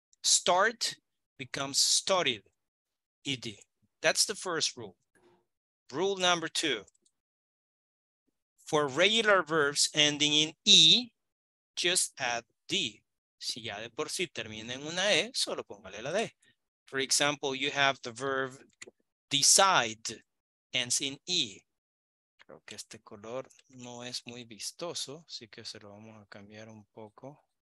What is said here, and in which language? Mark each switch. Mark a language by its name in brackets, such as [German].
[English] Start becomes started, ed. That's the first rule. Rule number two. For regular verbs ending in e, just add d. [Spanish] Si ya de por sí termina en una e, solo póngale la d. [English] For example, you have the verb decide, ends in e. [Spanish] Creo que este color no es muy vistoso, así que se lo vamos a cambiar un poco.